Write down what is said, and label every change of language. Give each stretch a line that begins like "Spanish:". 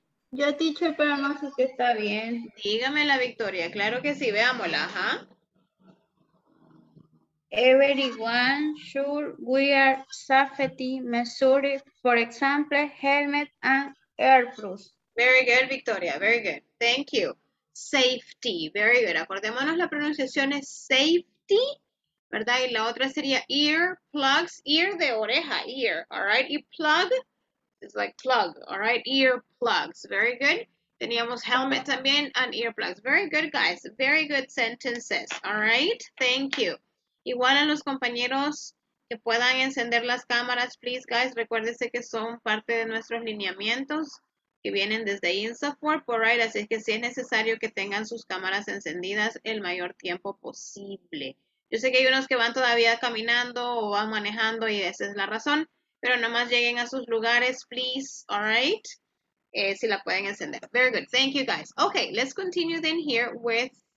Spanish: Yo, teacher, pero no sé si está bien. Dígame la Victoria, claro que sí, veámosla, ¿ha?
English: Everyone should wear safety measures, for example, helmet and earplugs. Very good, Victoria, very good. Thank you. Safety, very good.
Spanish: Acordémonos, la pronunciación es safe. ¿Verdad? Y la otra sería ear, plugs, ear de oreja, ear,
English: all right? Y plug, it's like plug, all right? Ear, plugs, very good.
Spanish: Teníamos helmet también
English: and ear plugs. Very good, guys. Very good sentences, all right? Thank you.
Spanish: Igual a los compañeros que puedan encender las cámaras,
English: please, guys,
Spanish: recuérdense que son parte de nuestros lineamientos que vienen desde INSAFORP,
English: all right,
Spanish: así que sí es necesario que tengan sus cámaras encendidas el mayor tiempo posible. Yo sé que hay unos que van todavía caminando o van manejando y esa es la razón, pero nomás lleguen a sus lugares,
English: please, all right,
Spanish: si la pueden encender.
English: Very good, thank you, guys. Okay, let's continue then here with,